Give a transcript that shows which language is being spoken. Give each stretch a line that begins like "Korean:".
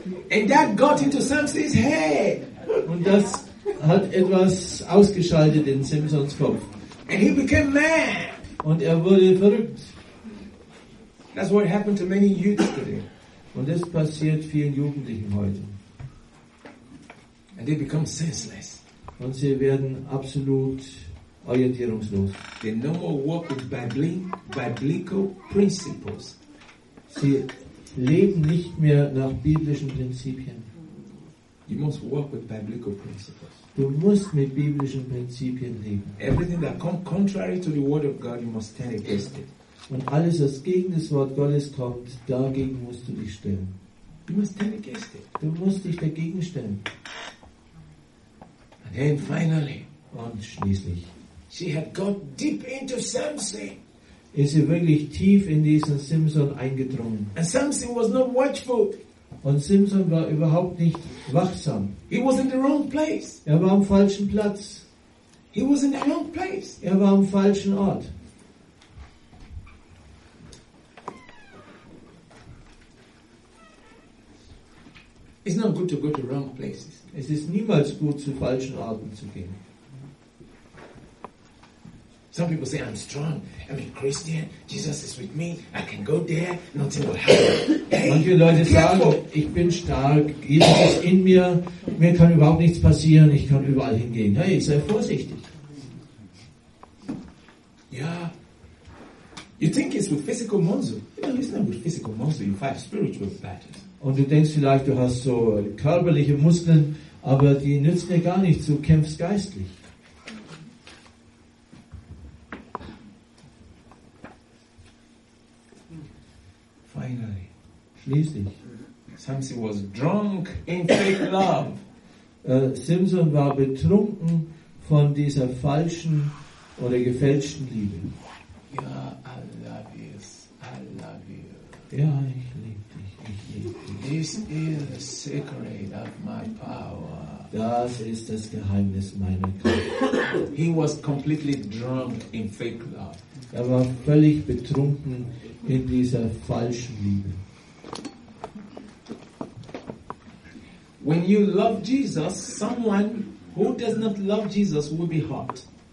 English: And that got into Samson's head.
German: Und das hat etwas ausgeschaltet in Samsons Kopf.
English: And he became mad.
German: Und er wurde verrückt.
English: That's what happened to many youths today.
German: Und das passiert vielen Jugendlichen heute.
English: And they become senseless.
German: Und sie werden absolut orientierungslos.
English: They no more walk with biblical principles.
German: Sie leben nicht mehr nach biblischen Prinzipien.
English: You must walk with biblical principles.
German: Du musst mit biblischen Prinzipien leben.
English: Everything that comes contrary to the word of God, you must stand against it.
German: Und alles, was gegen das Wort Gottes kommt, dagegen musst du dich stellen.
English: You must stand against it.
German: Du musst dich dagegen stellen.
English: And then finally,
German: und schließlich,
English: she had got deep into Samson.
German: Ist sie wirklich tief in diesen Samson eingedrungen.
English: And Samson was not watchful.
German: Und Samson war überhaupt nicht wachsam.
English: He was in the wrong place.
German: Er war am falschen Platz.
English: He was in the wrong place.
German: Er war am falschen Ort.
English: It's not good to go to wrong places.
German: Es ist niemals gut, zu falschen Orten zu gehen.
English: Some people say, I'm strong, I'm a Christian, Jesus is with me, I can go there, nothing will happen.
German: Manche Leute sagen, ich bin stark, Jesus ist in mir, mir kann überhaupt nichts passieren, ich kann überall hingehen. Hey, sei vorsichtig. Ja.
English: You think it's with physical muscle? No, it's not with physical muscle, you fight spiritual battles.
German: Und du denkst vielleicht, du hast so körperliche Muskeln, aber die nützen dir gar nichts, du kämpfst geistlich.
English: Finally.
German: Schließlich.
English: Samson was drunk in fake love.
German: Samson war betrunken von dieser falschen oder gefälschten Liebe.
English: Ja, I love you. I love you.
German: Ja, ich liebe dich.
English: This is the secret of my power.
German: Das ist das Geheimnis meiner Kraft.
English: He was completely drunk in fake love.
German: Er war völlig betrunken in dieser falschen Liebe.
English: When you love Jesus, someone who does not love Jesus will be hurt.